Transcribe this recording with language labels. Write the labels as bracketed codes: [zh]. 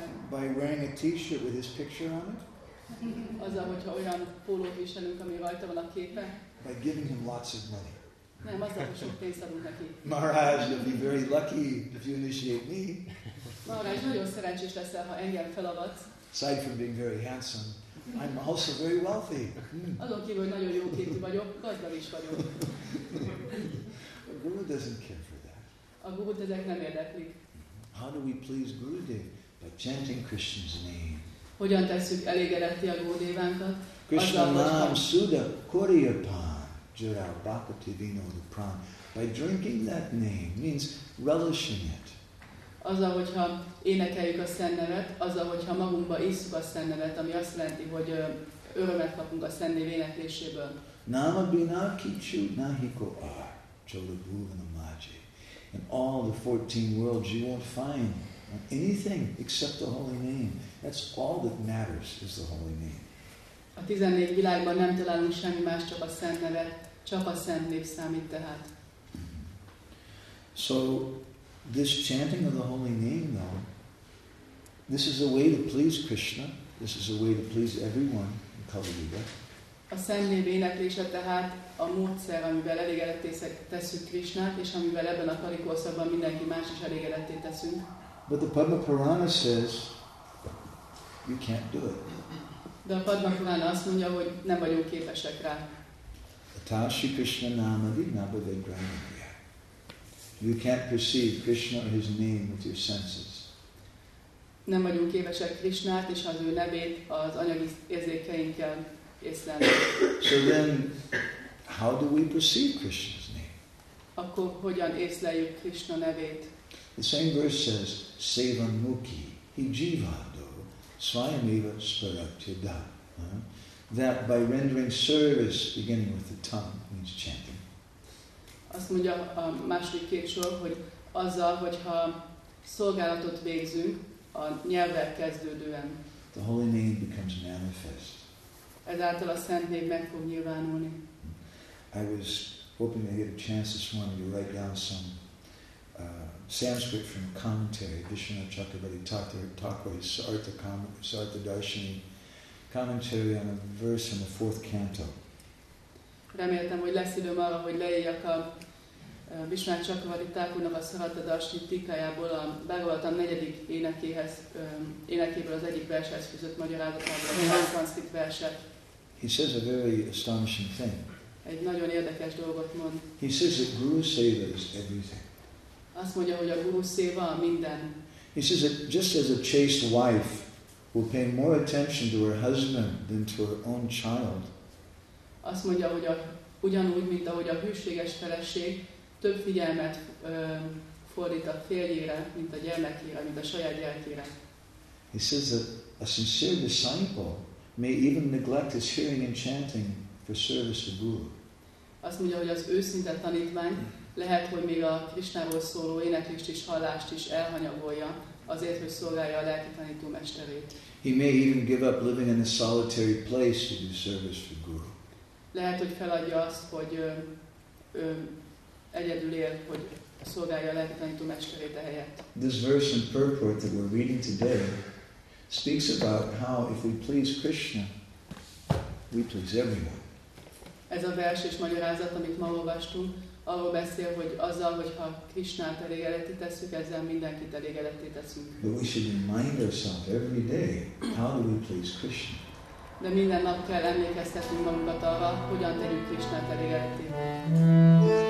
[en] By wearing a t-shirt with his picture on it? By giving him lots of money. Maharaj, you'll be very lucky if you initiate me. Aside from being very handsome, I'm also very wealthy. [hu] Azon kívül, hogy nagyon jó képű vagyok, gazdag is vagyok. [en] A guru doesn't care for that. [hu] A guru ezek nem érdeklik. [en] How do we please Gurudev? By chanting Krishna's name. [hu] Hogyan tesszük elégedetti a Gurudevánkat? [bn] Krishna nam suda koriyapan jura bhakti vinoda pran. [en] By drinking that name means relishing it. [hu] Azzal, hogyha énekeljük a szent nevet, azzal, hogyha magunkba isszuk a szent nevet, ami azt jelenti, hogy örömet kapunk a szent név énekléséből. [bn] Nama bina kichu nahiko ar, cholabhuvanamaji. [en] In all the 14 worlds you won't find anything except the holy name. That's all that matters is the holy name. [hu] A 14 világban nem találunk semmi más, csak a szent nevet, csak a szent név számít tehát. [en] So, this chanting of the holy name, though, this is a way to please Krishna. This is a way to please everyone in Kali Yuga. [hu] A szent név éneklése tehát a módszer, amivel elégedetté tesszük Krishnát, és amivel ebben a kali korszakban mindenki más is elégedetté teszünk. [en] But the Padma Purana says, you can't do it. [hu] De a Padma Purana azt mondja, hogy nem vagyunk képesek rá. [sa] Atashi Krishna nama vidnabhavedgrana. [en] You can't perceive Krishna or his name with your senses. [hu] Nem vagyunk képesek Krishnát és az ő nevét az anyagi érzékeinkkel észlelni. [en] So then, how do we perceive Krishna's name? [hu] akkor hogyan észleljük Krishna nevét? [en] The same verse says, [sa] Sevan Mukhi Hijivado Swayameva Svaraktida. [en] That by rendering service, beginning with the tongue, means chanting. [hu] Azt mondja a második képsor, hogy azzal, hogyha szolgálatot végzünk, a nyelvvel kezdődően. [en] The holy name becomes manifest. [hu] Ezáltal a szent név meg fog nyilvánulni. [en] I was hoping to get a chance this morning to write down some Sanskrit from commentary. Vishnu Chakrabarty Sartha Darshini commentary on a verse in the fourth canto. [hu] Reméltem, hogy lesz időm arra, hogy leírjak a Vishnu Chakrabarty Thakurnak a Sartha Darshini tikkájából a Bhagavatam negyedik énekéhez, énekéből az egyik vershez fűzött magyarázatából a sanskrit verset. [en] He says a very astonishing thing. [hu] Egy nagyon érdekes dolgot mond. [en] He says that Guru Seva is everything. [hu] Azt mondja, hogy a Guru Seva a minden. [en] He says that just as a chaste wife will pay more attention to her husband than to her own child. [hu] Azt mondja, hogy ugyanúgy, mint ahogy a hűséges feleség több figyelmet fordít a férjére, mint a gyermekére, mint a saját gyermekére. [en] He says that a sincere disciple may even neglect his hearing and chanting for service to Guru. [hu] Azt mondja, hogy az őszinte tanítvány lehet, hogy még a Krisnáról szóló éneklést és hallást is elhanyagolja, azért, hogy szolgálja a lelki tanító mesterét. [en] He may even give up living in a solitary place to do service for Guru. [hu] Lehet, hogy feladja azt, hogy egyedül él, hogy szolgálja a lelki tanító mesterét a helyett. [en] This verse in purport that we're reading today speaks about how if we please Krishna, we please everyone. [hu] Ez a vers és magyarázat, amit ma olvastunk, arról beszél, hogy azzal, hogyha Krisnát elégedetté tesszük, ezzel mindenkit elégedetté teszünk. [en] But we should remind ourselves every day, how do we please Krishna? [hu] De minden nap kell emlékeztetnünk magunkat arra, hogyan tegyük Krisnát elégedetté.